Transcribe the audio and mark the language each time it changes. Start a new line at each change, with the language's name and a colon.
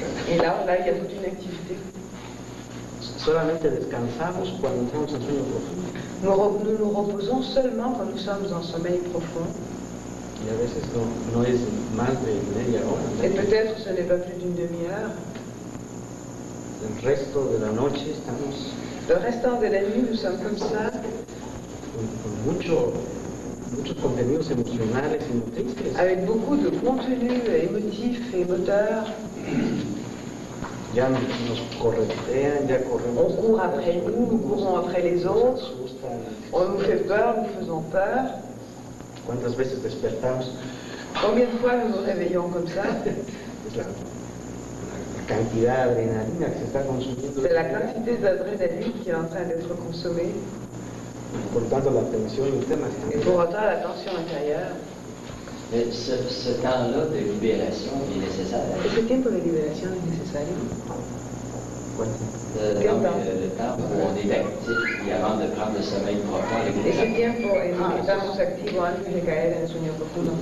French: Et là, là, il y a toute une activité.
Spanish: Solamente descansamos cuando entramos en sueño profundo.
French: Nous nous reposons seulement quand nous sommes en sommeil profond.
Spanish: Y a veces no es más de media hora.
French: Et peut-être ce n'est pas plus d'une demi-heure.
Spanish: El resto de la noche estamos.
French: Le restant de la nuit, nous sommes comme ça.
Spanish: Con muchos contenidos emocionales y motrices.
French: Avec beaucoup de contenus émotifs et moteurs.
Spanish: Ya nos corretean, ya corremos.
French: On court après nous, nous courons après les autres. On nous fait peur, nous faisons peur.
Spanish: ¿Cuántas veces despertamos?
French: Combien de fois nous nous réveillons comme ça?
Spanish: La cantidad de adrenalina que se está consumiendo.
French: C'est la cantité d'adrénaline qui est en train d'être consommée.
Spanish: Por tanto, la tensión interna.
French: Et pour autant, la tension intérieure. Mais ce temps-là de libération est nécessaire. Et ce tiempo de libération est nécessaire?
Spanish: Ese tiempo en que estamos activos antes de caer en el sueño profundo.